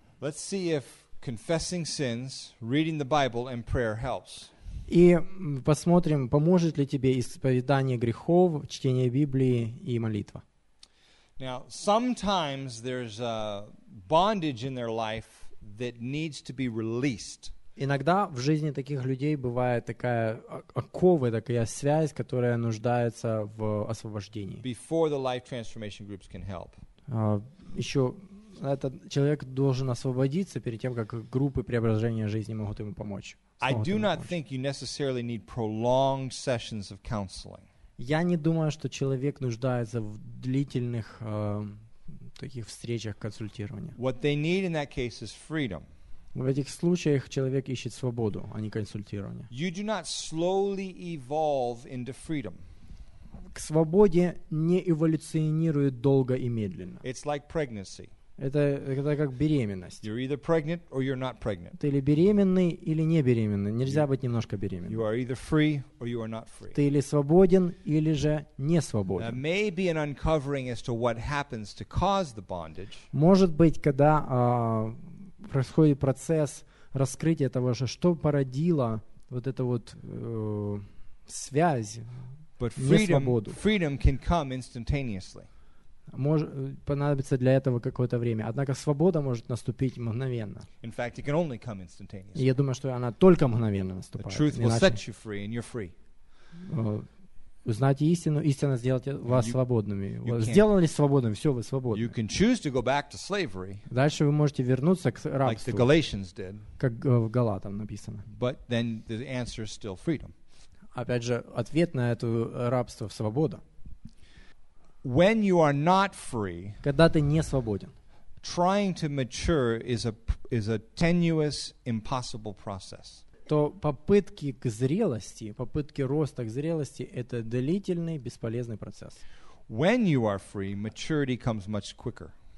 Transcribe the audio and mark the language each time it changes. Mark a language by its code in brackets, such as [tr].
[en] Let's see if confessing sins, reading the Bible, and prayer helps. [ru] И посмотрим, поможет ли тебе исповедание грехов, чтение Библии и молитва. [en] Now, sometimes there's a bondage in their life that needs to be released. [ru] Иногда в жизни таких людей бывает такая оковы, такая связь, которая нуждается в освобождении. [en] Before the life transformation groups can help. [ru] Еще этот человек должен освободиться перед тем, как группы преображения жизни могут ему помочь. [en] I do not think you necessarily need prolonged sessions of counseling. [ru] Я не думаю, что человек нуждается в длительных таких встречах консультирования. [en] What they need in that case is freedom. [ru] В этих случаях человек ищет свободу, а не консультирование. [en] You do not slowly evolve into freedom. [ru] К свободе не эволюционирует долго и медленно. [en] It's like pregnancy. [ru] Это как беременность. [en] You're either pregnant or you're not pregnant. [ru] Ты или беременный, или не беременный. Нельзя быть немножко беременным. [en] You are either free or you are not free. [ru] Ты или свободен, или же не свободен. [en] There may be an uncovering as to what happens to cause the bondage. [ru] Может быть, когда происходит процесс раскрытия того, что породило вот эту вот связь, [en] But freedom, [ru] несвободу. [en] Freedom can come instantaneously. [ru] Может понадобиться для этого какое-то время. Однако свобода может наступить мгновенно. [en] In fact, it can only come instantaneously. [ru] И я думаю, что она только мгновенно наступает. [en] The truth will set you free, and you're free. [ru] Узнайте истину, истина сделает вас свободными. Сделали свободными, все, вы свободны. [en] You can choose to go back to slavery, [ru] дальше вы можете вернуться к рабству, [en] like the Galatians did, [ru] как в Галатам написано. [en] But then the answer is still freedom. [ru] Опять же, ответ на это рабство – свобода. [en] When you are not free, [ru] когда ты не свободен, [en] trying to mature is a tenuous, impossible process. [ru] То попытки к зрелости, попытки роста к зрелости, это длительный, бесполезный процесс. [en] When you are free, maturity comes much quicker.